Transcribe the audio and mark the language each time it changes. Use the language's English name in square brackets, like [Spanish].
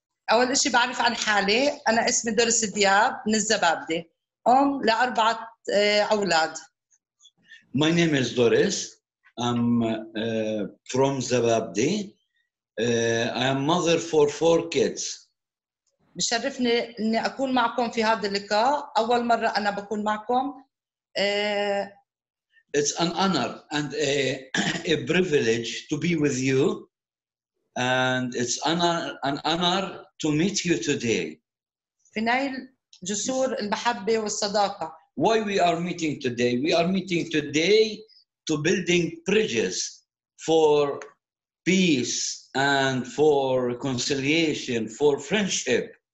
[Arabic] أول إشي بعرف عن حالي، أنا اسمي دورس دياب من الزبابدي، أم لأربعة أولاد. [English] My name is Doris. I'm from Zababdi. I am mother for four kids. [Arabic] بشرفني إني أكون معكم في هذا اللقاء، أول مرة أنا بكون معكم. [English] It's an honor and a privilege to be with you, and it's an honor to meet you today. [Arabic] فنايل جسور المحبة والصداقة. [English] Why we are meeting today? We are meeting today to building bridges for peace and for reconciliation, for friendship.